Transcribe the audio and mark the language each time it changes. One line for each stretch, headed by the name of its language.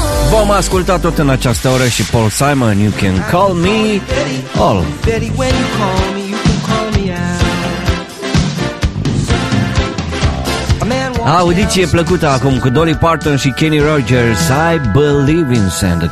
Romanian: Vom asculta tot în această oră și Paul Simon, You Can Call Me All.
English: Betty, when you call me, you can call me out.
Romanian: Audiție plăcută acum cu Dolly Parton și Kenny Rogers, I Believe in Santa Claus.